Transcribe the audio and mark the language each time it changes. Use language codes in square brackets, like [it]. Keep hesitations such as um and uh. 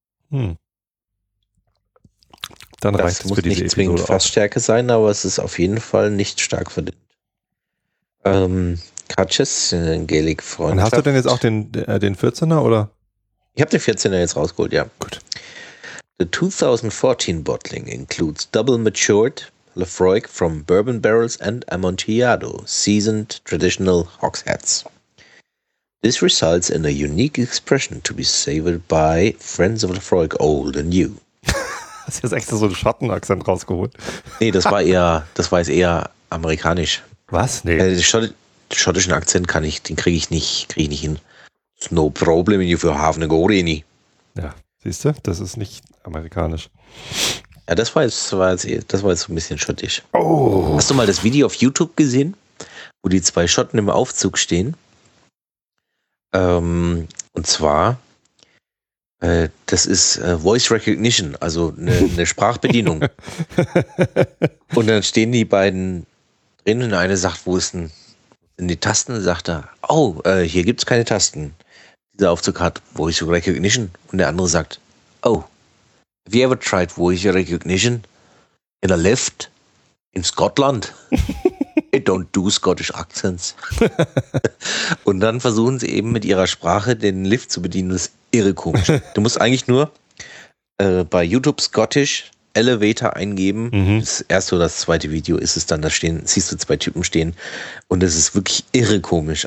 [de] Hm. Dann reicht Das es muss für diese nicht zwingend Episode auch. Fassstärke sein, aber es ist auf jeden Fall nicht stark verdient. Ähm, Katjes, äh, Gaelic Freund. Und hast du denn jetzt auch den, äh, den 14er oder? Ich habe den 14er jetzt rausgeholt, ja. Gut. [en] The 2014 bottling includes double matured Lefroy from bourbon barrels and Amontillado, seasoned traditional hogsheads. This results in a unique expression to be savored by friends of Lefroy old and new. [de] Hast jetzt extra so einen Schattenakzent rausgeholt. Nee, das war eher, das war jetzt eher amerikanisch. Was? Nee. Äh, den Schott schottischen Akzent kann ich, den kriege ich nicht, kriege ich nicht hin. [en] It's no problem if you have go any. [de] Ja, siehst du, das ist nicht amerikanisch. Ja, das war jetzt, war jetzt, das war jetzt so ein bisschen schottisch. Oh. Hast du mal das Video auf YouTube gesehen, wo die zwei Schotten im Aufzug stehen? Ähm, und zwar Äh, das ist äh, Voice Recognition, also eine, eine Sprachbedienung. Und dann stehen die beiden drin und eine sagt, wo ist denn wo sind die Tasten? Und sagt er, oh, äh, hier gibt's keine Tasten. Dieser Aufzug hat Voice Recognition. Und der andere sagt, oh, [en] have you ever tried Voice Recognition in a lift in Scotland? It don't do Scottish accents. [de] und dann versuchen sie eben mit ihrer Sprache den Lift zu bedienen. Das ist irre komisch. Du musst eigentlich nur äh, bei YouTube Scottish Elevator eingeben. Mhm. Das erste oder das zweite Video ist es dann, da stehen, siehst du zwei Typen stehen und es ist wirklich irre komisch.